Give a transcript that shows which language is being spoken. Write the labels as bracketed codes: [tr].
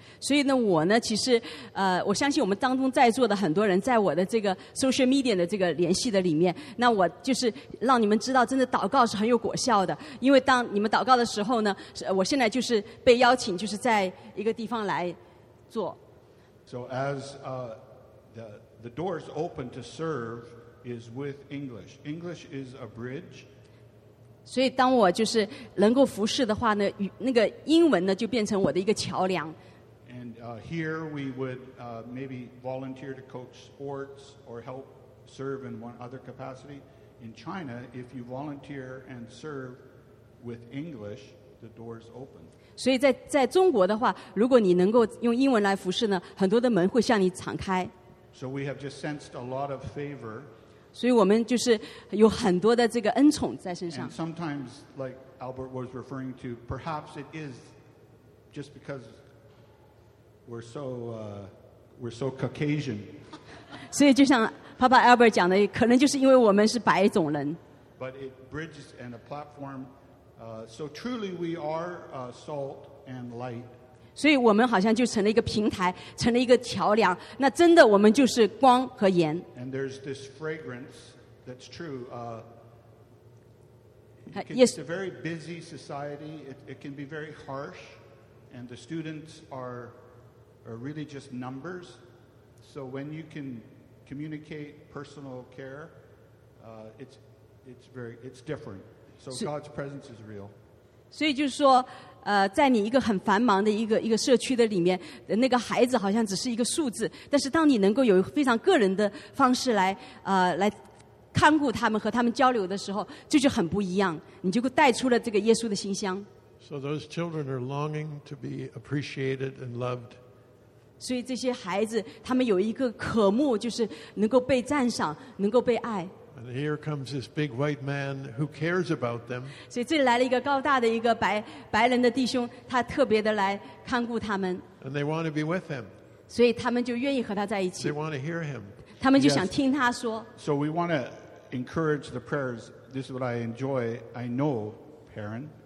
[zh] 所以呢，我呢，其实我相信我们当中在座的很多人，在我的这个 social media 的这个联系的里面，那我就是让你们知道，真的祷告是很有果效的。因为当你们祷告的时候呢，我现在就是被邀请，就是在一个地方来做。 [en] So as the doors open to serve is with English. English is a bridge. [zh] 所以当我就是能够服侍的话呢，那个英文呢就变成我的一个桥梁。 [en] And here we would maybe volunteer to coach sports or help serve in one other capacity. In China, if you volunteer and serve with English, the doors open. [zh] 所以在中国的话，如果你能够用英文来服侍呢，很多的门会向你敞开。 [en] So we have just sensed a lot of favor. [zh] 所以我们就是有很多的这个恩宠在身上。 [en] And sometimes, like Albert was referring to, perhaps it is just because we're so Caucasian. [zh] 所以就像 Papa Albert 讲的，可能就是因为我们是白种人。 [en] But it bridges and a platform. So truly, we are salt and light. [zh] 所以我们好像就成了一个平台，成了一个桥梁。那真的，我们就是光和盐。 [en] And there's this fragrance that's true. Yes. It's a very busy society. It can be very harsh, and the students are really just numbers. So when you can communicate personal care, it's different. So God's presence is real. [zh] 所以就是说。在你一个很繁忙的一个社区的里面，那个孩子好像只是一个数字。但是当你能够有非常个人的方式来看顾他们和他们交流的时候，这就很不一样。你就带出了这个耶稣的馨香。 [en] So those children are longing to be appreciated and loved. [zh] 所以这些孩子他们有一个渴慕，就是能够被赞赏，能够被爱。 [en] And here comes this big white man who cares about them. [zh] 所以这里来了一个高大的一个白人的弟兄，他特别的来看顾他们。 [en] And they want to be with him. [zh] 所以他们就愿意和他在一起。 [en] They want to hear him. [zh] 他们就想听他说。 [en] So we want to encourage the prayers. This is what I enjoy. I know, Perrin.